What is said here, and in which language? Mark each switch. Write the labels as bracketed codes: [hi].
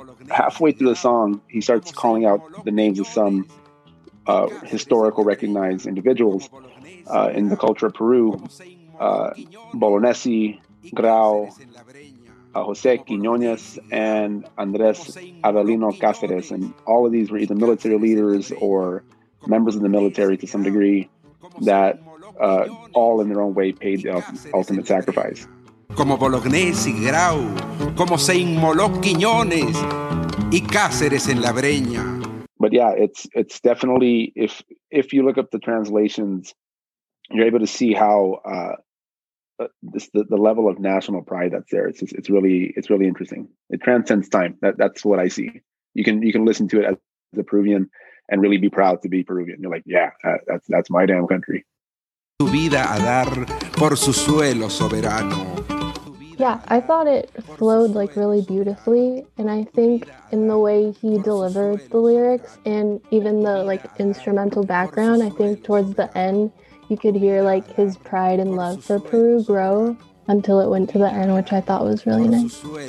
[en] Halfway through the song, he starts calling out the names of some historical recognized individuals in the culture of Peru, Bolognesi, Grau, Jose Quiñones, and Andres Avelino Cáceres. And all of these were either military leaders or members of the military to some degree that all in their own way paid the ultimate sacrifice. [es] Como Bolognesi, Grau, como se inmoló Quiñones y Cáceres en la Breña. [en] But yeah, it's definitely, if you look up the translations, you're able to see how the level of national pride that's there. It's really interesting. It transcends time. That's what I see. You can listen to it as a Peruvian and really be proud to be Peruvian. You're like, yeah, that's my damn country. [es] Tu vida a dar por su suelo soberano. [en] Yeah, I thought it flowed like really beautifully, and I think in the way he delivered the lyrics and even the like instrumental background, I think towards the end you could hear like his pride and love for Peru grow until it went to the end, which I thought was really nice.